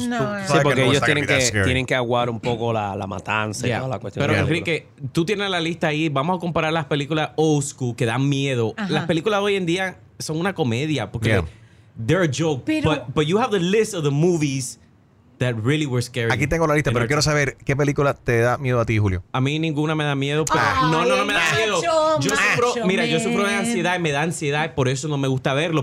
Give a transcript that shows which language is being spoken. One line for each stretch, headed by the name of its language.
Spanish: sabes sí, porque que ellos tienen que aguar un poco la matanza y toda la cuestión. Pero Enrique, tú tienes la lista ahí. Vamos a comparar las películas old school que dan miedo. Ajá. Las películas de hoy en día son una comedia porque they're a joke.
English: But you have the list of the movies that really were scary.
Spanish: Aquí tengo la lista, pero quiero saber qué película te da miedo a ti, Julio. A mí ninguna me da miedo. Pero no me da miedo. Yo sufro de ansiedad y me da ansiedad, por eso no me gusta verlo.